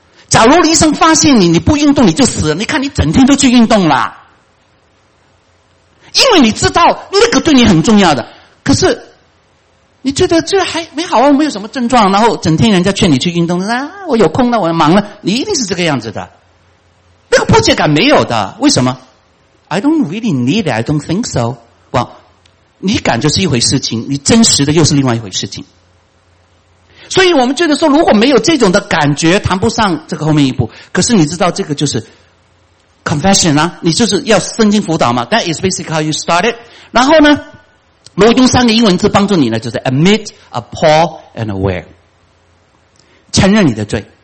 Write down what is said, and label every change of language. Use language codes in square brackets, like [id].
[zh] 假如医生发现你不运动你就死了，你看你整天都去运动了，因为你知道那个对你很重要的。可是你觉得这还没好啊，没有什么症状，然后整天人家劝你去运动啊，我有空了，我忙了，你一定是这个样子的，那个迫切感没有的。为什么？ [en] I don't really need it, I don't think so. Well, [zh] 你感觉是一回事情，你真实的又是另外一回事情。所以我们觉得说如果没有这种的感觉，谈不上这个后面一步。可是你知道这个就是 confession 啊，你就是要圣经辅导嘛， [en] That is basically how you started。 [zh] 然后呢，如果用三个英文字帮助你呢，就是 [en] admit, appall and aware， [zh] 承认你的罪。